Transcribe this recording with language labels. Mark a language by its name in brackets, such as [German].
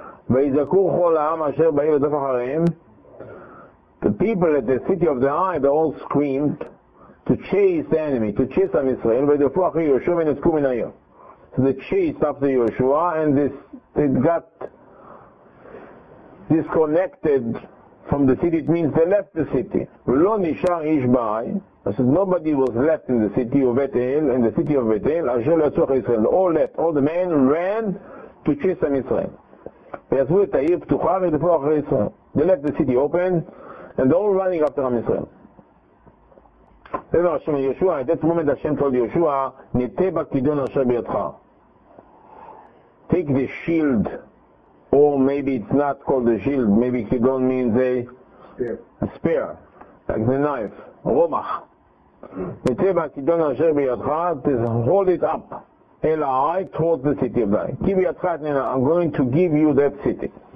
[Hebrew] ויזעקו כל העם אשר באים לדף אחריהם. [English] The people at the city of the eye, they all screamed to chase the enemy, to chase Am Yisrael. [Hebrew] ויזעקו אחרי יהושע ונזקו מן העיר. [English] So they chased after Yeshua, and they got disconnected from the city. It means they left the city. ולא נשאר איש בעי. I said, nobody was left in the city of Bethel, in the city of Bethel, אשר יצאו אחרי ישראל. All left, all the men ran to chase Am Yisrael. [Hebrew] ויעזבו את העיר פתוחה וירדפו אחרי ישראל. [English] They left the city open, and they're all running after Am Yisrael. [Hebrew] אמר השם יהושע, at that moment השם told יהושע, נטה בכידון אשר בידך. [English] Take the shield, or maybe it's not called the shield, maybe כידון means a spear, like the knife, רומח. [Hebrew] נטה בכידון אשר בידך, hold it up. [English] Eli towards the city of Dai. Give me a threat, and I'm going to give you that city.